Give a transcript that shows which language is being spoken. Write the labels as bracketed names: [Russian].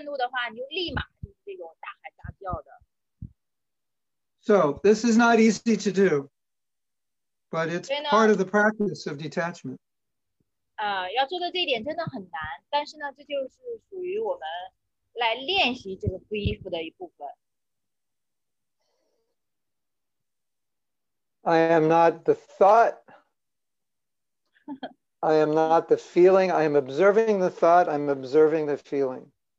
[Chinese] 就比如说结婚之前可能你对你现在的这个丈夫，可能之前的话你还能够平和的，就是跟他说，就当你愤怒的时候还能够平和的跟他交流，表达你的这种愤怒。你说我现在生气了，但是结过婚之后呢，你可能目前一件事情让你愤怒的话，你就立马就是这种大喊大叫的。 [English] So this is not easy to do, but it's part of the practice of detachment. [Chinese] 要做的这一点真的很难，但是呢，这就是属于我们来练习这个不依附的一部分。 [English] I am not the thought. I am not the feeling. I am observing the thought. I'm observing the feeling.